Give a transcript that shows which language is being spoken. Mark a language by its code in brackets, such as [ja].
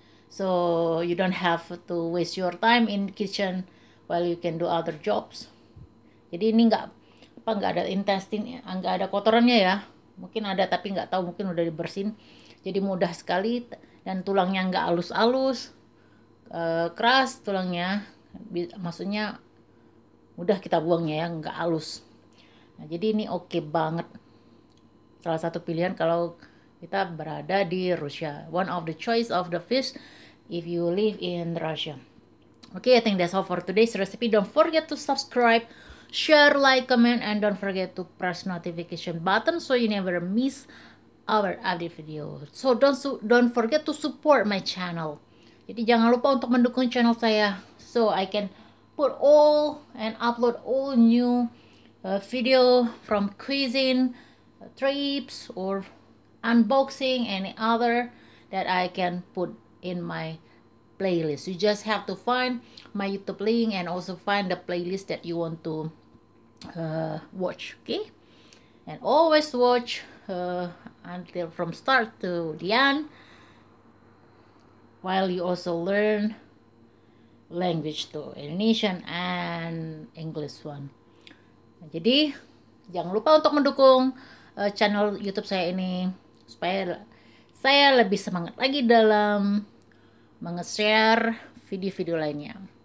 [en] So you don't have to waste your time in kitchen while you can do other jobs. [id] Jadi ini nggak apa, nggak ada intestine, nggak ada kotorannya ya. Mungkin ada tapi nggak tahu, mungkin udah dibersihin. Jadi mudah sekali, dan tulangnya nggak alus-alus, keras tulangnya, maksudnya mudah kita buangnya ya, nggak alus. Nah, jadi ini oke banget. Salah satu pilihan kalau kita berada di Rusia. [en] One of the choice of the fish if you live in Russia. Okay, I think that's all for today's recipe. Don't forget to subscribe, share, like, comment, and don't forget to press notification button so you never miss our update video. So don't forget to support my channel. [id] Jadi jangan lupa untuk mendukung channel saya [en] so I can put all and upload all new video from cuisine, trips, or unboxing, any other that I can put in my playlist. You just have to find my YouTube link and also find the playlist that you want to watch, okay? And always watch until from start to the end while you also learn language to Indonesian and English one. [id] Jadi jangan lupa untuk mendukung channel YouTube saya ini supaya saya lebih semangat lagi dalam meng-share video-video lainnya.